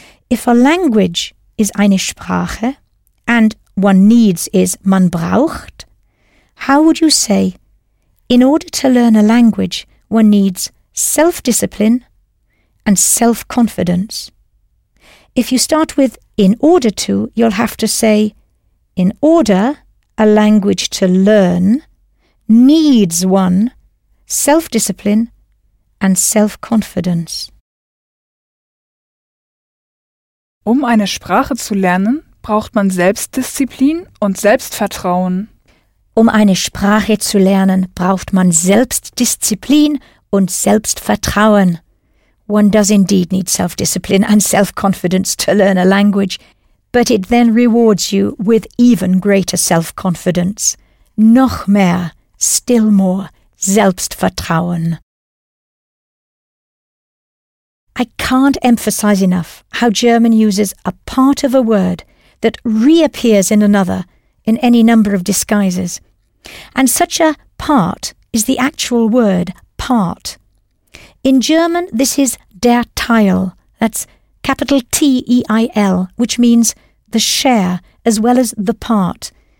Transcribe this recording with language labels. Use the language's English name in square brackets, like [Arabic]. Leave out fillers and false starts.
[English] If a language is [German] eine Sprache [English] and one needs is [German] man braucht, [English] how would you say, in order to learn a language, one needs self-discipline and self-confidence? If you start with in order to, you'll have to say, in order a language to learn, needs one self-discipline and self-confidence. [German] Um eine Sprache zu lernen, braucht man Selbstdisziplin und Selbstvertrauen. Um eine Sprache zu lernen, braucht man Selbstdisziplin und Selbstvertrauen. [English] One does indeed need self-discipline and self-confidence to learn a language, but it then rewards you with even greater self-confidence. [German] Noch mehr, [English] still more, [German] Selbstvertrauen. [English] I can't emphasize enough how German uses a part of a word that reappears in another in any number of disguises. And such a part is the actual word part. In German, this is der Teil, that's capital T-E-I-L, which means the share as well as the part.